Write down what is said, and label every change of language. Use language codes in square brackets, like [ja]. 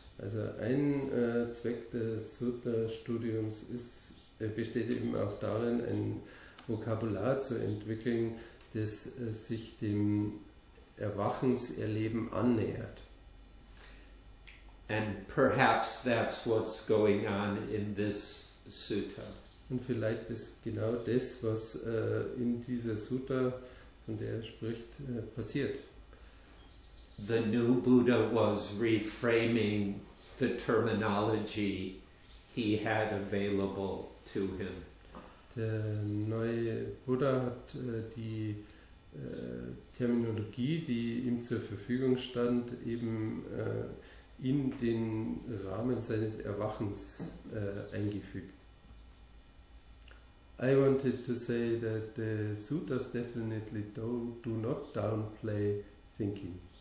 [de] Also ein Zweck des Sutta-Studiums besteht eben auch darin, ein Vokabular zu entwickeln, das sich dem Erwachenserleben annähert. [en] And perhaps that's what's going on in this sutta. [de] Und vielleicht ist genau das, was in dieser Sutta, von der er spricht, passiert. [en] The new Buddha was reframing the terminology he had available to him. [de] Der neue Buddha hat die Terminologie, die ihm zur Verfügung stand, eben in den Rahmen seines Erwachens eingefügt. [en] I wanted to say that the suttas definitely do not downplay thinking.